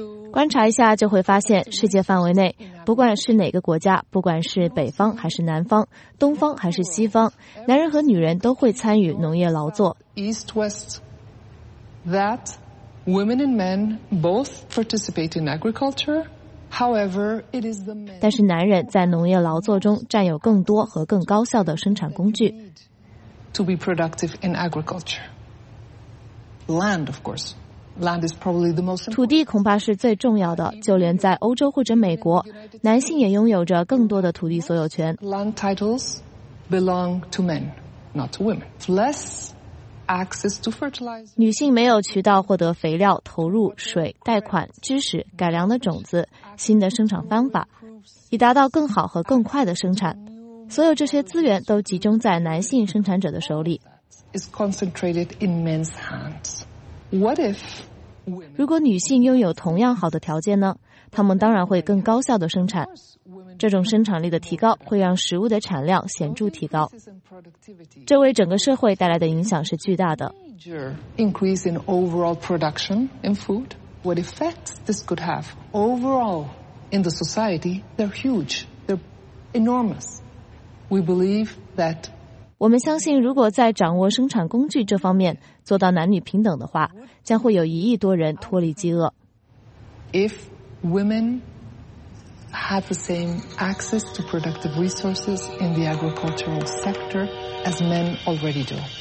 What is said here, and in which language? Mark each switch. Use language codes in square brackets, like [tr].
[zh] 观察一下就会发现，世界范围内不管是哪个国家，不管是北方还是南方，东方还是西方，男人和女人都会参与农业劳作。 [en] East West, that women and men both participate in agriculture, however, it is the men. [zh] 但是男人在农业劳作中占有更多和更高效的生产工具。 [en] To be productive in agriculture. Land, of course. Land is probably the most. [zh] 土地恐怕是最重要的。就连在欧洲或者美国，男性也拥有着更多的土地所有权。 [en] Land titles belong to men, not to women. Less access to fertilizer. [zh] 女性没有渠道获得肥料、投入、水、贷款、知识、改良的种子、新的生产方法，以达到更好和更快的生产。所有这些资源都集中在男性生产者的手里。 [en] Is concentrated in men's hands. What if? [zh] 如果女性拥有同样好的条件呢？她们当然会更高效的生产。这种生产力的提高会让食物的产量显著提高。这为整个社会带来的影响是巨大的。 [en] Increase in overall production in food. What effects this could have overall in the society? They're huge. They're enormous. We believe that. [zh] 我们相信，如果在掌握生产工具这方面做到男女平等的话，将会有一亿多人脱离饥饿。 [en] If women had the same access to productive resources in the agricultural sector as men already do.